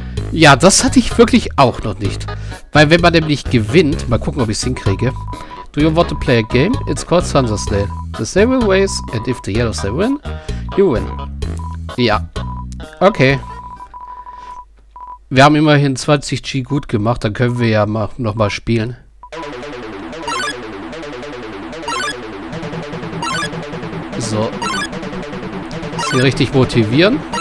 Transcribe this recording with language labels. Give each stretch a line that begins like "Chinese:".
German: Ja, das hatte ich wirklich auch noch nicht. Weil wenn man nämlich gewinnt, mal gucken, ob ich es hinkriege.
English: Do you want to play a game? It's called Thunder Snail. The snail will race, and if the yellow snail win, you win.
German: Ja. Okay. Wir haben immerhin 20G gut gemacht, dann können wir ja nochmal spielen. So. Sie richtig motivieren.